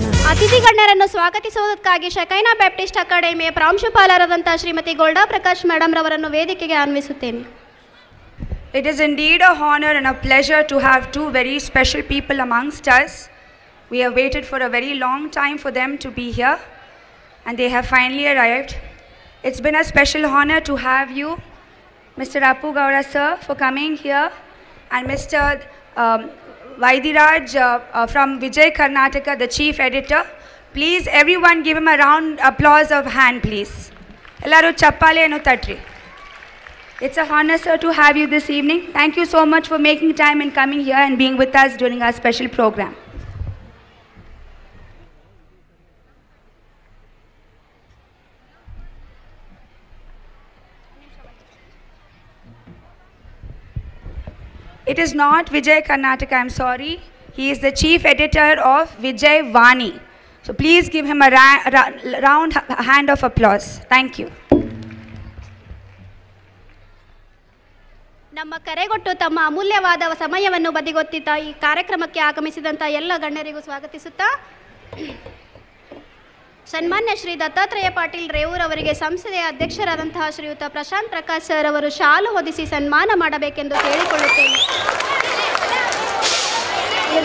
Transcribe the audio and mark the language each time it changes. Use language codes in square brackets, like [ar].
[kn] ಅತಿಥಿ ಗಣ್ಯರನ್ನು ಸ್ವಾಗತಿಸುವುದಕ್ಕಾಗಿ ಶಕೈನಾ ಬ್ಯಾಪ್ಟಿಸ್ಟ್ ಅಕಾಡೆಮಿಯ ಪ್ರಾಂಶುಪಾಲರಾದಂತಹ ಶ್ರೀಮತಿ ಗೋಲ್ಡಾ ಪ್ರಕಾಶ್ ಮೇಡಮ್ ಅವರನ್ನು ವೇದಿಕೆಗೆ ಆನ್ವಿಸುತ್ತೇನೆ. [en] It is indeed a honor and a pleasure to have two very special people amongst us. We have waited for a very long time for them to be here, and they have finally arrived. It's been a special honor to have you, Mr. Appu Gowda sir, for coming here, and Mr. Vaidiraj from Vijay Karnataka, the chief editor. Please, everyone, give him a round applause of hand, please. [kn] Ellaru chappale enu tatri. [en] It's a honor, sir, to have you this evening. Thank you so much for making time and coming here and being with us during our special program. It is not Vijay Karnataka, I'm sorry. He is the chief editor of Vijay Vani. So please give him a round hand of applause. Thank you. [kn] ನಮ್ಮ ಕರೆಗೊಟ್ಟು ತಮ್ಮ ಅಮೂಲ್ಯವಾದ ಸಮಯವನ್ನು ಬದಿಗೊತ್ತಿದ್ದ ಈ ಕಾರ್ಯಕ್ರಮಕ್ಕೆ ಆಗಮಿಸಿದಂಥ ಎಲ್ಲ ಗಣ್ಯರಿಗೂ ಸ್ವಾಗತಿಸುತ್ತಾ ಸನ್ಮಾನ್ಯ ಶ್ರೀ ದತ್ತಾತ್ರೇಯ ಪಾಟೀಲ್ ರೇವೂರ್ ಅವರಿಗೆ ಸಂಸ್ಥೆಯ ಅಧ್ಯಕ್ಷರಾದಂತಹ ಶ್ರೀಯುತ ಪ್ರಶಾಂತ್ ಪ್ರಕಾಶ್ ಸರ್ ಅವರು ಶಾಲು ಹೊದಿಸಿ ಸನ್ಮಾನ ಮಾಡಬೇಕೆಂದು ಕೇಳಿಕೊಳ್ಳುತ್ತೇನೆ.